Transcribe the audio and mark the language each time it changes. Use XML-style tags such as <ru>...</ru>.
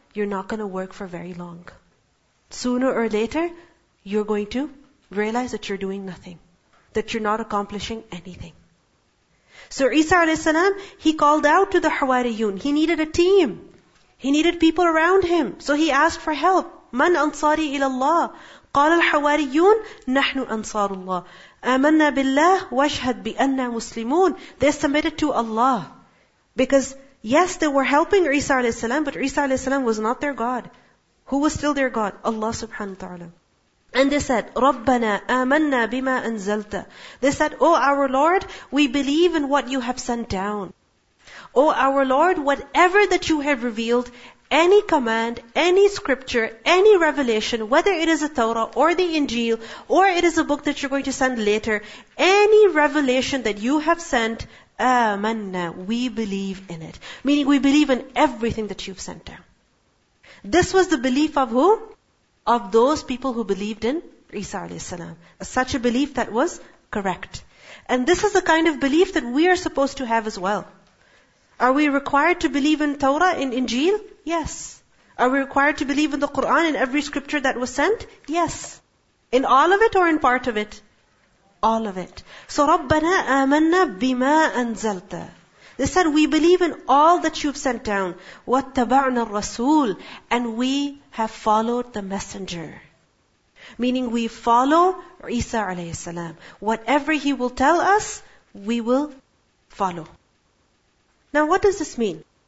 <en>You're not going to work for very long. Sooner or later, you're going to realize that you're doing nothing. That you're not accomplishing anything. So, Isa a.s., he called out to the Hawariyun. He needed a team. He needed people around him. So, he asked for help.</en> <ar>من أنصاري إلى الله؟ قال الحواريون نحن أنصار الله آمنا بالله واشهد بأننا مسلمون.</ar> <en>They submitted to Allah. Because yes, they were helping Isa alayhi salam, but Isa alayhi salam was not their God. Who was still their God? Allah subhanahu wa ta'ala. And they said,</en> <ar>ربنا آمنا بما أنزلت.</ar> <en>They said, oh our Lord, we believe in what you have sent down. Oh our Lord, whatever that you have revealed, any command, any scripture, any revelation, whether it is a Torah or the Injil, or it is a book that you're going to send later, any revelation that you have sent, amanna, we believe in it. Meaning we believe in everything that you've sent down. This was the belief of who? Of those people who believed in Isa a.s. Such a belief that was correct. And this is the kind of belief that we are supposed to have as well. Are we required to believe in Torah, in Injil? Yes. Are we required to believe in the Qur'an, in every scripture that was sent? Yes. In all of it or in part of it? All of it.</en> <ar>So, رَبَّنَا آمَنَّا بِمَا أَنزَلْتَ.</ar> <en>They said, we believe in all that you've sent down.</en> <ar>وَاتَّبَعْنَا الرَّسُولِ.</ar> <en>And we have followed the messenger. Meaning we follow Isa alayhi salam. Whatever he will tell us, we will follow. Now what does this mean?</en>